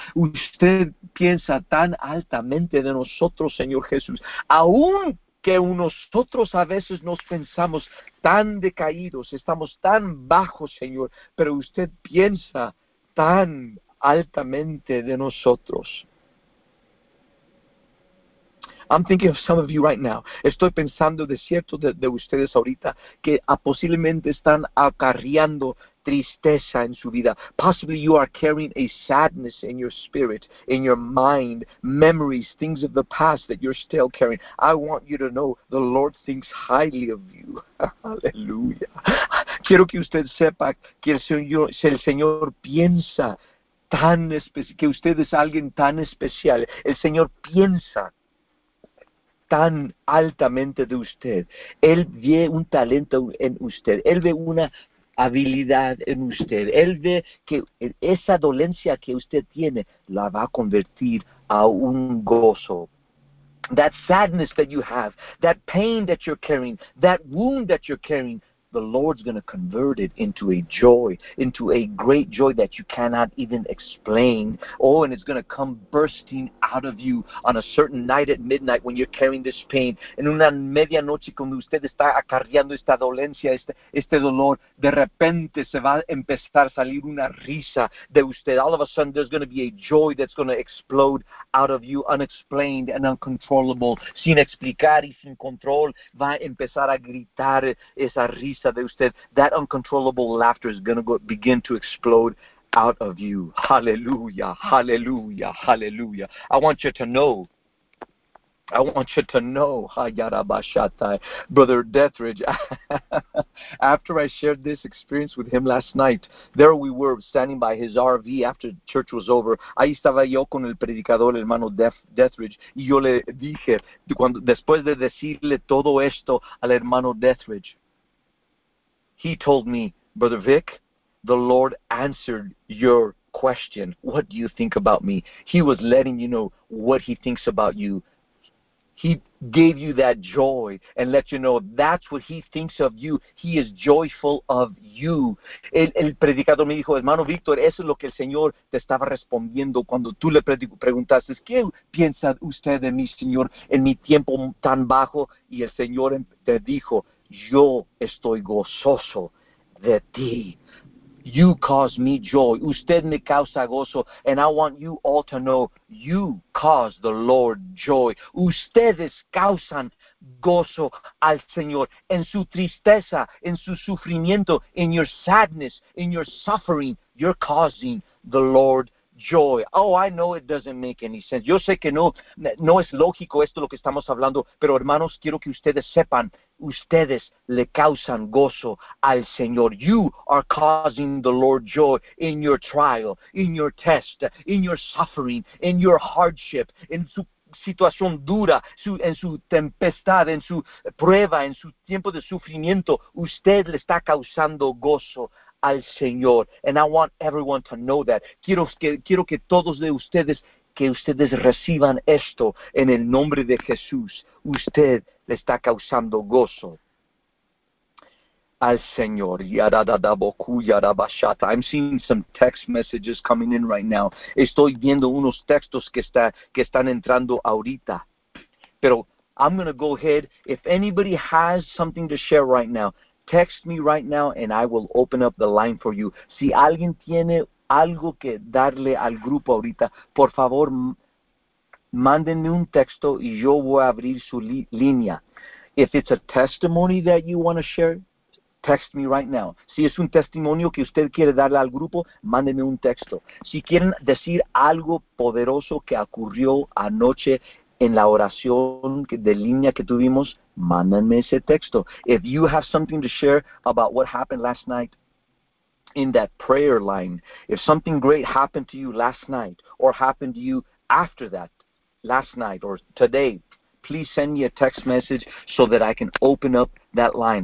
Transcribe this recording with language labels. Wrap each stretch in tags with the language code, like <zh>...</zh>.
<es>Usted piensa tan altamente de nosotros, Señor Jesús, aun que nosotros a veces nos pensamos tan decaídos, estamos tan bajos, Señor, pero usted piensa tan altamente de nosotros.</es> <en>I'm thinking of some of you right now.</en> <es>Estoy pensando de cierto de ustedes ahorita que posiblemente están acarreando tristeza en su vida.</es> <en>Possibly you are carrying a sadness in your spirit, in your mind, memories, things of the past that you're still carrying. I want you to know the Lord thinks highly of you. Hallelujah.</en> <es>Quiero que usted sepa que el Señor piensa tan especial, que usted es alguien tan especial. El Señor piensa tan altamente de usted. Él ve un talento en usted. Él ve una habilidad en usted. Él ve que esa dolencia que usted tiene la va a convertir a un gozo.</es> <en>That sadness that you have, that pain that you're carrying, that wound that you're carrying, the Lord's going to convert it into a joy, into a great joy that you cannot even explain. Oh, and it's going to come bursting out of you on a certain night at midnight when you're carrying this pain.</en> <es>En una medianoche cuando usted está acarreando esta dolencia, este dolor, de repente se va a empezar a salir una risa de usted.</es> <en>All of a sudden, there's going to be a joy that's going to explode out of you, unexplained and uncontrollable.</en> <es>Sin explicar y sin control, va a empezar a gritar esa risa. De usted,</es> <en>that uncontrollable laughter is going to begin to explode out of you. Hallelujah, hallelujah, hallelujah. I want you to know, Brother Dethridge, after I shared this experience with him last night, there we were standing by his RV after church was over.</en> <es>Ahí estaba yo con el predicador, el hermano Dethridge,</es> <en>y yo le dije, después de decirle todo esto al hermano Dethridge, he told me, Brother Vic, the Lord answered your question. What do you think about me? He was letting you know what he thinks about you. He gave you that joy and let you know that's what he thinks of you. He is joyful of you.</en> <es>El predicador me dijo, hermano Víctor, eso es lo que el Señor te estaba respondiendo cuando tú le preguntaste, ¿qué piensa usted de mí, Señor, en mi tiempo tan bajo? Y el Señor te dijo, yo estoy gozoso de ti.</es> <en>You cause me joy.</en> <es>Usted me causa gozo.</es> <en>And I want you all to know, you cause the Lord joy.</en> <es>Ustedes causan gozo al Señor. En su tristeza, en su sufrimiento,</es> <en>in your sadness, in your suffering, you're causing the Lord joy. Oh, I know it doesn't make any sense.</en> <es>Yo sé que no es lógico esto lo que estamos hablando, pero hermanos, quiero que ustedes sepan, ustedes le causan gozo al Señor.</es> <en>You are causing the Lord joy in your trial, in your test, in your suffering, in your hardship, in</en> <es>su situación dura, en su tempestad, en su prueba, en su tiempo de sufrimiento. Usted le está causando gozo al Señor.</es> <en>And I want everyone to know that.</en> <es>Quiero que todos de ustedes, que ustedes reciban esto en el nombre de Jesús. Usted le está causando gozo al Señor.</es> <en>I'm seeing some text messages coming in right now.</en> <es>Estoy viendo unos textos que están entrando ahorita. Pero</es> <en>I'm going to go ahead. If anybody has something to share right now, text me right now and I will open up the line for you.</en> <es>Si alguien tiene algo que darle al grupo ahorita, por favor, mándenme un texto y yo voy a abrir su línea.</es> <en>If it's a testimony that you want to share, text me right now.</en> <es>Si es un testimonio que usted quiere darle al grupo, mándenme un texto. Si quieren decir algo poderoso que ocurrió anoche en la oración de línea que tuvimos, mándenme ese texto.</es> <en>If you have something to share about what happened last night in that prayer line, if something great happened to you last night or happened to you after that last night or today, please send me a text message so that I can open up that line.</en>